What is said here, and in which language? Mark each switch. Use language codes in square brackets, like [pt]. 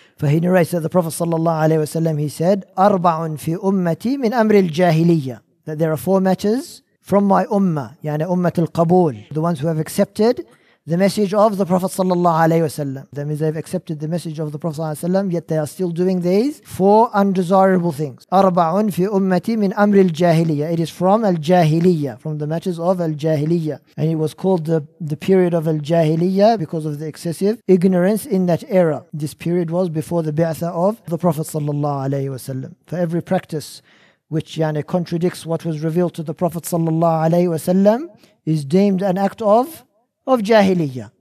[en] For he narrates that the Prophet sallallahu alayhi wa sallam, he said, [ar] أَرْبَعٌ فِي أُمَّتِي مِنْ أَمْرِ الْجَاهِلِيَّةِ. [en] That there are four matters from my ummah, [ar] yani ummat al-qabool, [en] the ones who have accepted the message of the Prophet sallallahu alayhi wa sallam. That means they've accepted the message of the Prophet sallallahu alayhi wa sallam, yet they are still doing these four undesirable things. [ar] أَرْبَعٌ فِي أُمَّتِي مِنْ أَمْرِ الْجَاهِلِيَّةِ. [en] It is from al-jahiliyyah, from the matters of al-jahiliyyah. And it was called the period of al-jahiliyyah because of the excessive ignorance in that era. This period was before the bi'atha of the Prophet sallallahu alayhi wa sallam. For every practice which contradicts what was revealed to the Prophet sallallahu alayhi wasallam is deemed an act of jahiliyyah.